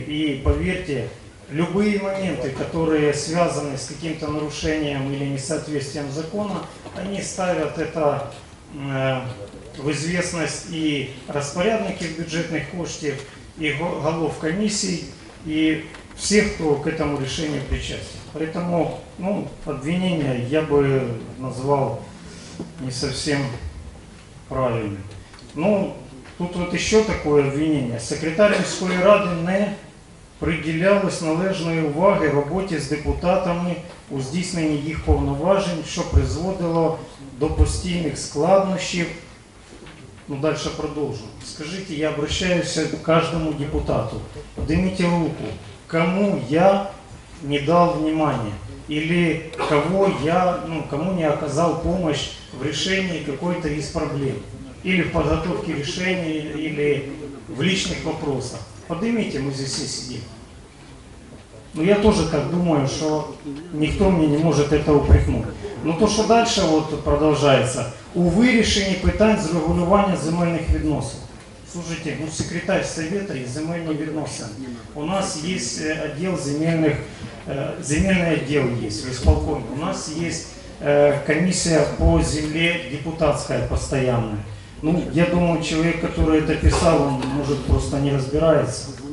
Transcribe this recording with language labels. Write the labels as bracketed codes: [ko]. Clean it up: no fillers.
[ru] И поверьте, любые моменты, которые связаны с каким-то нарушением или несоответствием закона, они ставят это в известность и распорядники бюджетных коштів, и голов комиссий, и всех, кто к этому решению причастен. Поэтому, ну, обвинение я бы назвал не совсем правильно. Ну, тут вот еще такое обвинение. [uk] Секретарь міської ради не приділялось належної уваги роботі з депутатами у здійсненні їх повноважень, що призводило до постійних складнощів. Ну, дальше продовжу. Скажіть, я обращаюся к кожному депутату. Подніміть руку, кому я не дав внимання? [ru] Или кого я, ну, кому не оказал помощь в решении какой-то из проблем, или в подготовке решений, или в личных вопросах. Поднимите, мы здесь все сидим. Ну, я тоже так думаю, что никто мне не может это упрекнуть. Но то, что дальше вот продолжается, [uk] у вирішення питань з регулювання земельних відносин. [ru] Слушайте, ну, секретарь совета и земельные відносин. У нас есть отдел земельных, земельный отдел есть в исполкоме. У нас есть комиссия по земле депутатская постоянная. Ну, я думаю, человек, который это писал, он, может, просто не разбирается.